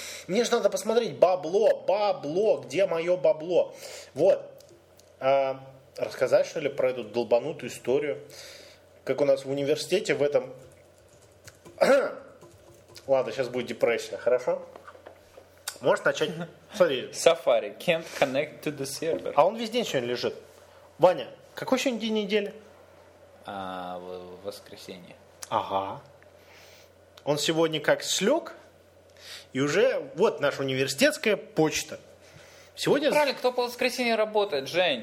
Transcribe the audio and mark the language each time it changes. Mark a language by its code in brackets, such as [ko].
[ru] Мне же надо посмотреть бабло. Бабло. Где мое бабло? Вот. А, рассказать, что ли, про эту долбанутую историю? Как у нас в университете в этом... Ладно, сейчас будет депрессия. Хорошо? Можешь начать? Смотри. [en] Safari can't connect to the server. [ru] А он весь день сегодня лежит. Ваня, какой сегодня день недели? А, в воскресенье. Ага. Он сегодня как слег? И уже вот наша университетская почта. Сегодня... Правильно, кто по воскресенье работает, Жень?